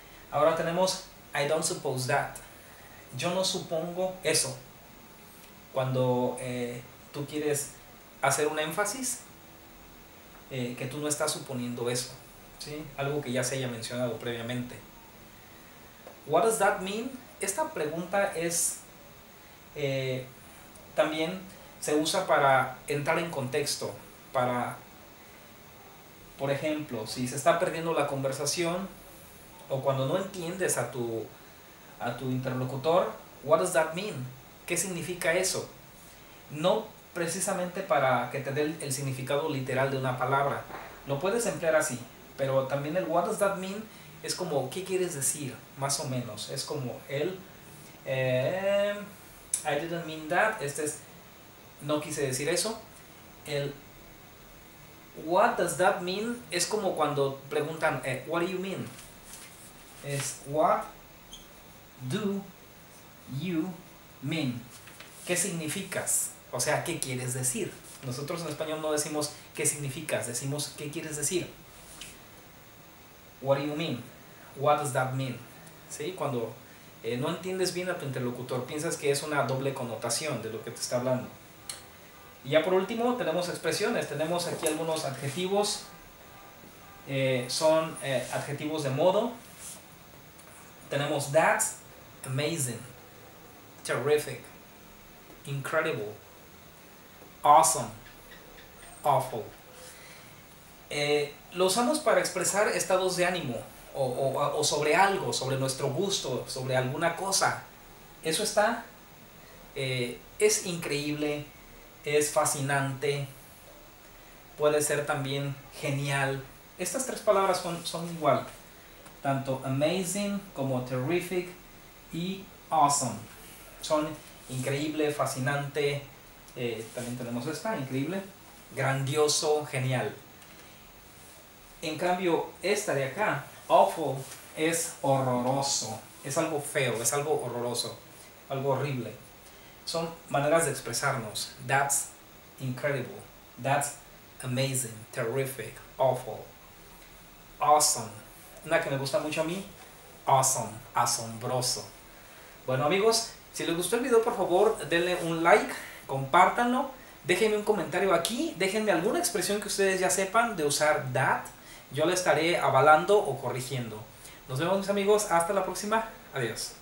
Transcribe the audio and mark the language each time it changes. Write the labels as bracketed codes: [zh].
[es] Ahora tenemos [en] I don't suppose that. [es] Yo no supongo eso. Cuando tú quieres hacer un énfasis, que tú no estás suponiendo eso, ¿sí? Algo que ya se haya mencionado previamente. [en] What does that mean? [es] Esta pregunta es también se usa para entrar en contexto, para, por ejemplo, si se está perdiendo la conversación o cuando no entiendes a tu interlocutor, [en] what does that mean? [es] ¿Qué significa eso? No precisamente para que te dé el significado literal de una palabra. Lo puedes emplear así, pero también el [en] what does that mean [es] es como, ¿qué quieres decir? Más o menos. Es como el, [en] I didn't mean that. [es] Este es, no quise decir eso. El [en] what does that mean [es] es como cuando preguntan, [en] what do you mean? [es] Es [en] what do you mean? [es] ¿Qué significas? O sea, ¿qué quieres decir? Nosotros en español no decimos qué significas, decimos qué quieres decir. [en] What do you mean? What does that mean? [es] ¿Sí? Cuando no entiendes bien a tu interlocutor, piensas que es una doble connotación de lo que te está hablando. Y ya por último, tenemos expresiones. Tenemos aquí algunos adjetivos. Son adjetivos de modo. Tenemos [en] that's amazing, terrific, incredible, awesome, awful. [es] Lo usamos para expresar estados de ánimo o sobre algo, sobre nuestro gusto, sobre alguna cosa. Eso está, es increíble, es fascinante, puede ser también genial. Estas tres palabras son igual, tanto amazing como terrific y awesome. Son increíble, fascinante. También tenemos esta, increíble, grandioso, genial. En cambio, esta de acá, awful, es horroroso, es algo feo, es algo horroroso, algo horrible. Son maneras de expresarnos. [en] That's incredible, that's amazing, terrific, awful, awesome. [es] Una que me gusta mucho a mí, awesome, asombroso. Bueno, amigos, si les gustó el video, por favor, denle un like. Compártanlo, déjenme un comentario aquí, déjenme alguna expresión que ustedes ya sepan de usar that, yo la estaré avalando o corrigiendo. Nos vemos, mis amigos, hasta la próxima, adiós.